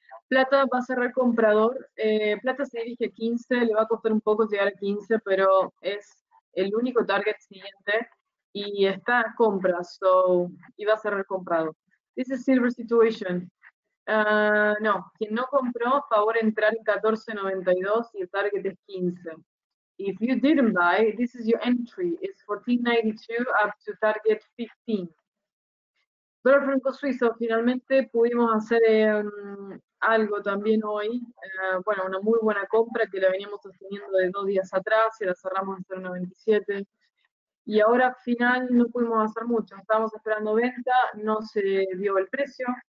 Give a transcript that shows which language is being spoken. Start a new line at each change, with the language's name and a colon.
Spanish: Plata va a cerrar comprador. Plata se dirige a 15, le va a costar un poco llegar a 15, pero es el único target siguiente. Y está a compra, so iba a cerrar comprado.
English: This is silver situation.
Spanish: No, quien no compró, favor entrar en 14.92 y el target es 15.
English: If you didn't buy, this is your entry. It's 14.92 up to target 15.
Spanish: Dólar franco suizo, finalmente pudimos hacer algo también hoy. Bueno, una muy buena compra que la veníamos sosteniendo de 2 días atrás y la cerramos en 0.97. Y ahora, al final, no pudimos hacer mucho. Estábamos esperando venta, no se dio el precio.